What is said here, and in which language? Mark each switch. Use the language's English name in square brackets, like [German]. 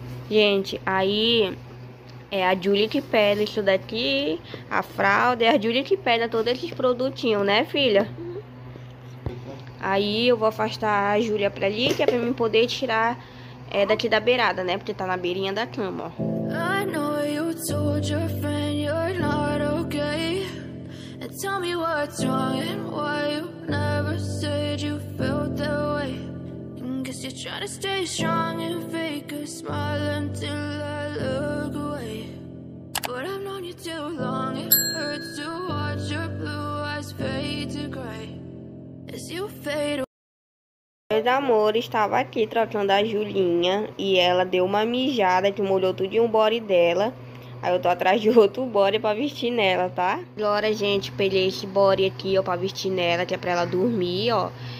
[Portuguese] Gente, aí é a Julie que pega isso daqui, a fralda, é a Julie que pega todos esses produtinhos, né, filha? Uhum. Aí eu vou afastar a Julia pra ali, que é pra mim poder tirar daqui da beirada, né? Porque tá na beirinha da cama, ó. [English] I know you told your friend you're not okay. Tell me what's wrong and why you never said you felt that way. Guess you're trying to stay strong and fake a smile until I look away. But I've known you too long, it hurts to watch your blue eyes fade to gray. As you fade away. [Portuguese] Meus amores, estava aqui trocando a Julinha e ela deu uma mijada que molhou tudo em um body dela. Aí eu tô atrás de outro body pra vestir nela, tá? Agora, gente, peguei esse body aqui, ó, pra vestir nela, que é pra ela dormir, ó.